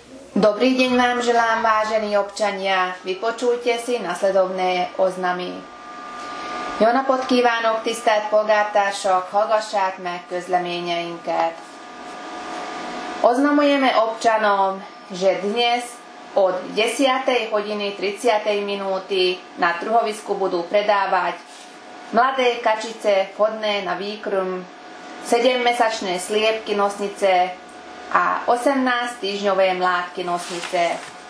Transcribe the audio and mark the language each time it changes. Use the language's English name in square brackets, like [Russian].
[Slovak] Dobrý deň vám želám, vážení občania. Vypočujte si nasledovné oznamy. [Hungarian] Jóna podkívánok tisztelt polgártársak, hallgassák meg közleményeinket. [Slovak] Oznamujeme občanom, že dnes od 10. hodiny 30. minúty na truhovisku budú predávať mladé kačice vhodné na výkrm, 7-mesačné sliepky nosnice a 18-týždňové mládky nosnice.